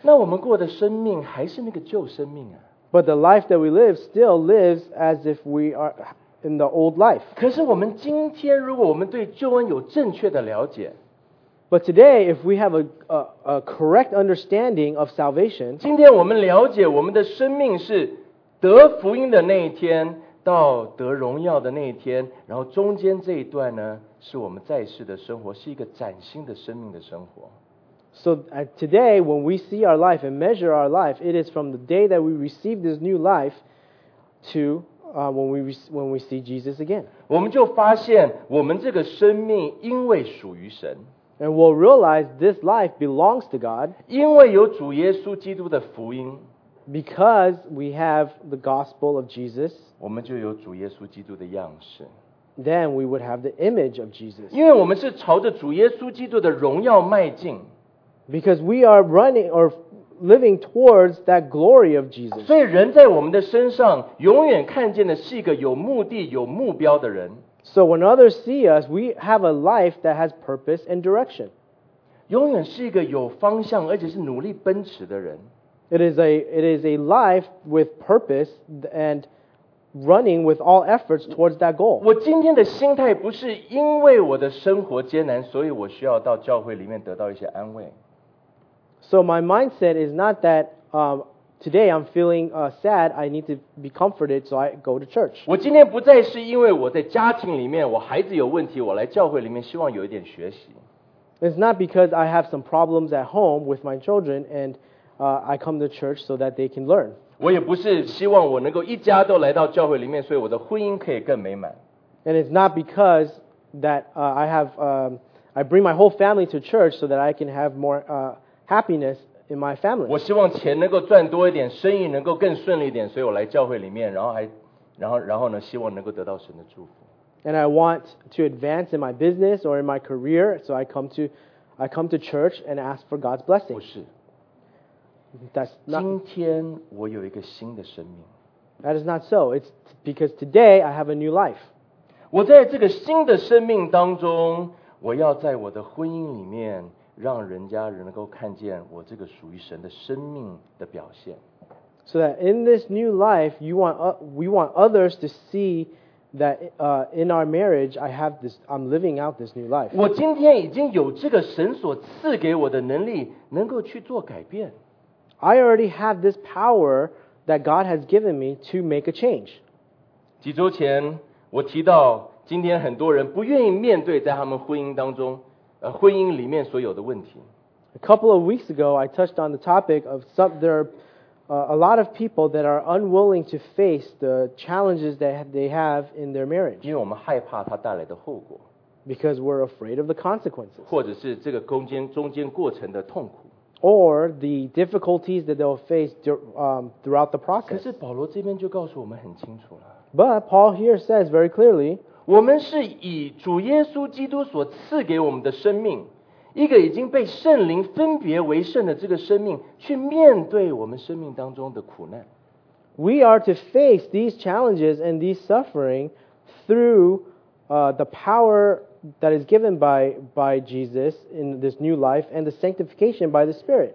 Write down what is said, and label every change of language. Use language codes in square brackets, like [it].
[zh] 那我们过的生命还是那个旧生命啊。 [en] But the life that we live still lives as if we are in the old life. [zh] 可是我们今天如果我们对救恩有正确的了解， [en] But today, if we have a correct understanding of salvation, [zh] 今天我们了解我们的生命是得福音的那一天到得荣耀的那一天，然后中间这一段呢，是我们在世的生活，是一个崭新的生命的生活。 [en] So today, when we see our life and measure our life, it is from the day that we receive this new life to when we see Jesus again. [zh] 我们就发现我们这个生命因为属于神。 [en] And we'll realize this life belongs to God. [zh] 因为有主耶稣基督的福音。 [en] Because we have the gospel of Jesus. [zh] 我们就有主耶稣基督的样式。 [en] Then we would have the image of Jesus. [zh] 因为我们是朝着主耶稣基督的荣耀迈进。 [en] Because we are running or living towards that glory of Jesus. [zh] 所以人在我们的身上永远看见的是一个有目的、有目标的人。 [en] So when others see us, we have a life that has purpose and direction. [zh] 永远是一个有方向而且是努力奔驰的人。 [en] It is a life with purpose and running with all efforts towards that goal. [zh] 我今天的心态不是因为我的生活艰难，所以我需要到教会里面得到一些安慰。 [en] So my mindset is not that today I'm feeling sad, I need to be comforted, so I go to church. [zh] 我今天不再是因为我在家庭里面，我孩子有问题，我来教会里面希望有一点学习。 [en] It's not because I have some problems at home with my children, and I come to church so that they can learn. [zh] 我也不是希望我能够一家都来到教会里面，所以我的婚姻可以更美满。 [en] And it's not because that I bring my whole family to church so that I can have more happiness in my family. [zh] 我希望钱能够赚多一点，生意能够更顺利一点，所以我来教会里面，然后呢，希望能够得到神的祝福。 [en] And I want to advance in my business or in my career, so I come to church and ask for God's blessing. [zh] 不是。 [en] That's not. [zh] 今天我有一个新的生命。 [en] That is not so. It's because today I have a new life. [zh] 我在这个新的生命当中，我要在我的婚姻里面。让人家能够看见我这个属于神的生命的表现。 [en] So that in this new life, we want others to see that in our marriage, I'm living out this new life. [zh] 我今天已经有这个神所赐给我的能力，能够去做改变。 [en] I already have this power that God has given me to make a change. [zh] 几周前，我提到今天很多人不愿意面对在他们婚姻当中。婚姻里面所有的问题。 [en] A couple of weeks ago, I touched on the topic of there are a lot of people that are unwilling to face the challenges that they have in their marriage. [zh] 因为我们害怕它带来的后果。 [en] Because we're afraid of the consequences. [zh] 或者是这个中间过程的痛苦。 [en] Or the difficulties that they'll face throughout the process. [zh] 可是保罗这边就告诉我们很清楚了。 [en] But Paul here says very clearly, [zh] 我们是以主耶稣基督所赐给我们的生命，一个已经被圣灵分别为圣的这个生命，去面对我们生命当中的苦难。 [en] We are to face these challenges and these suffering through the power that is given by Jesus in this new life and the sanctification by the Spirit.